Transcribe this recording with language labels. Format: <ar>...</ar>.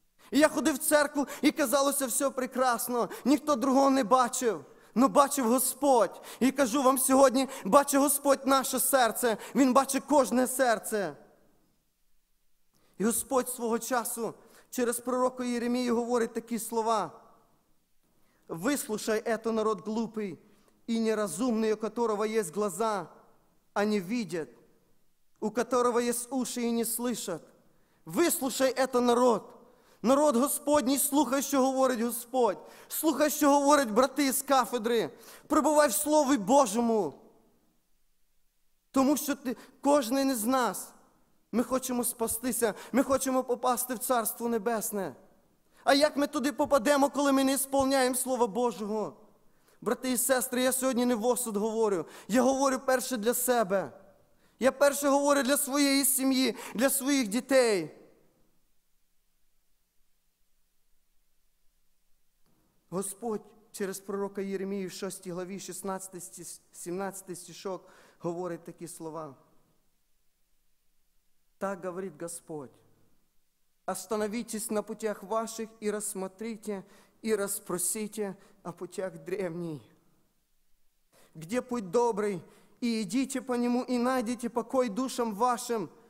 <uk>І я ходив в церкву, і казалося, все прекрасно, ніхто другого не бачив, але бачив Господь. І кажу вам сьогодні, бачить Господь наше серце, Він бачить кожне серце. І Господь свого часу через пророка Єремію говорить такі слова.</uk> <ru>Выслушай, это народ глупый и неразумный, у которого есть глаза, а не видят, у которого есть уши и не слышат. Выслушай, это народ.</ru> <uk>Народ Господній, слухай, що говорить Господь. Слухай, що говорять брати з кафедри. Прибувай в Слові Божому. Тому що кожен із нас, ми хочемо спастися, ми хочемо попасти в Царство Небесне. А як ми туди попадемо, коли ми не сповняємо Слова Божого? Брати і сестри, я сьогодні не в осуд говорю. Я говорю перше для себе. Я перше говорю для своєї сім'ї, для своїх дітей. Господь через пророка Єремію в 6 главі, 16-17 стишок, говорить такі слова. Так говорить Господь.</uk> <ru>Остановитесь на путях ваших и рассмотрите, и расспросите о путях древней. Где путь добрый, и идите по нему, и найдите покой душам вашим.</ru>